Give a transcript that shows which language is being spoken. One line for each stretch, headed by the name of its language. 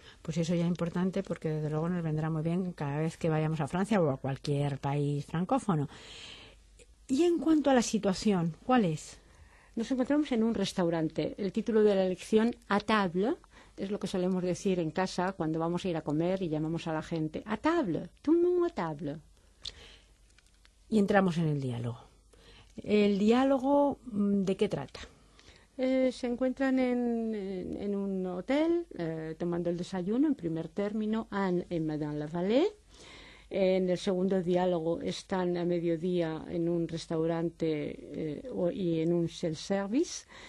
Spanish: Pues eso ya es importante porque desde luego nos vendrá muy bien cada vez que vayamos a Francia o a cualquier país francófono. Y en cuanto a la situación, ¿cuál es? Nos encontramos en un restaurante. El título de la lección, a table, es lo que solemos decir en casa cuando vamos a ir a comer y llamamos a la gente.
French: A table, tout le monde a table.
Spanish: Y entramos en el diálogo. ¿El diálogo de qué trata? Se encuentran en un hotel tomando el desayuno, en primer término, Anne y Madame Lavallée. En el segundo diálogo están a mediodía en un restaurante y en un self-service.